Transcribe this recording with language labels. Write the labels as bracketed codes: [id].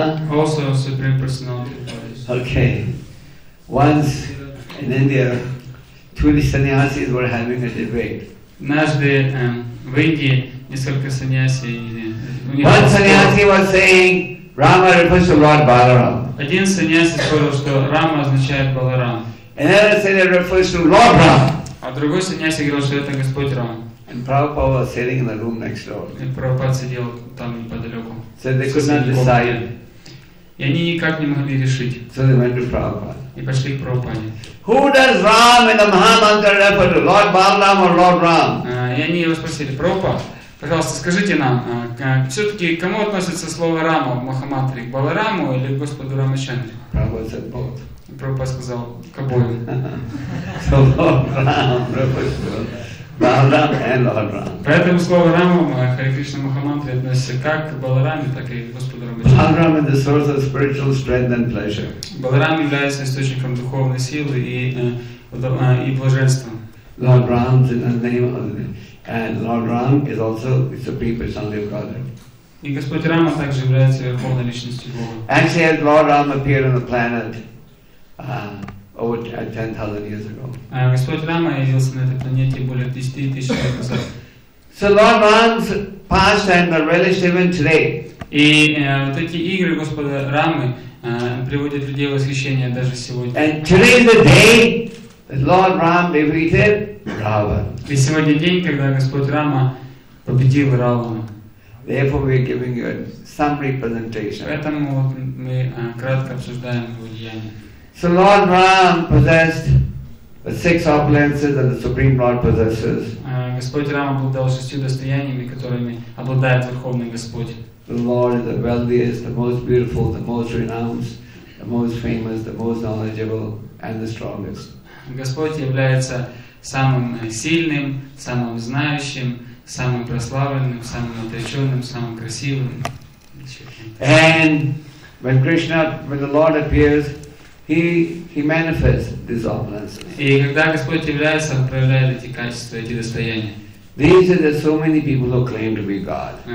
[en] Also Supreme Personality of Godhead. Okay. Once in India, two sannyasis were having a debate. [ru] Однажды в Индии несколько саньяси. [en] One sannyasi was saying Rama refers to Lord Balaram. [ru] Один саньяси сказал, что Рама означает Баларам. [en] Another said it refers to Lord Rama. [ru] А другой саньяси говорил, что это Господь Рама. [en] And Prabhupada was sitting in the room next door. [ru] И Прабхупада сидел там неподалеку. [en] So they could not decide. [ru] И они никак не могли решить. [en] So they went to Prabhupada. [ru] И пошли к Прабхупаде. [en] Who does Ram in the Mahamantra refer to? Lord Balaram or Lord Ram? [ru] И они его спросили, Прабхупада, пожалуйста, скажите нам, все-таки к кому относится слово Рама в Махамантре? К Балараму или к Господу Рамачандре? [en] Прабхупада said both. [ru] И Прабхупада сказал, к обоим. [en] So Lord Ram refers to Balaram and Lord Ram. [ru] Поэтому слово Рама в Харе Кришна Махамантре относится как к Балараме, так и к Господу Рамачандре. [en] Balaram is the source of spiritual strength and pleasure. [ru] Balaram является источником духовной силы и блаженства. [en] Lord Ram is the name of the, and Lord Ram is also the Supreme Personality of Godhead. [ru] И Господь Рама также является верховной личностью Бога. [en] Actually, as Lord Ram appeared on the planet over 10,000 years ago. [ru] Господь Рама явился на этой планете более 10,000 лет назад. [en] So Lord Ram's pastime are relished even today. [ru] И вот эти игры Господа Рамы приводят людей в восхищение даже сегодня. [en] And today is the day that Lord Ram defeated Ravan. [ru] И сегодня день, когда Господь Рама победил Равана. [en] Therefore, we are giving you a summary presentation. [ru] Поэтому вот мы кратко обсуждаем его деяния. [en] So Lord Ram possessed the six opulences that the Supreme Lord possesses. [ru] Господь Рама обладал шестью достояниями, которыми обладает Верховный Господь. [en] The Lord is the wealthiest, the most beautiful, the most renowned, the most famous, the most knowledgeable, and the strongest. [ru] Господь является самым сильным, самым знающим, самым прославленным, самым отреченным, самым красивым. [en] And when Krishna, when the Lord appears, he manifests these opulences. [ru] И когда Господь является, он проявляет эти качества, эти достояния. [en] These are so many people who claim to be God.